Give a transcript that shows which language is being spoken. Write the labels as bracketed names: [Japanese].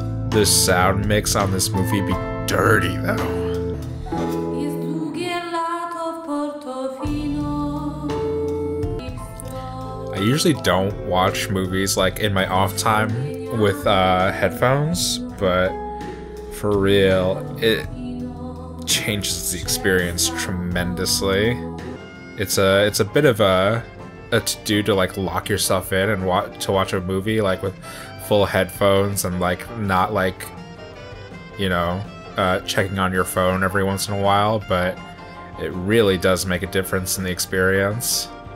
[English] The sound mix on this movie be dirty, though. [Polish] Jest długie lato w Portofino. [English] I usually don't watch movies like in my off time with headphones, but for real, it changes the experience tremendously. It's a bit of a to-do to like lock yourself in and watch a movie like with full headphones and like not like, you know, checking on your phone every once in a while, but it really does make a difference in the experience.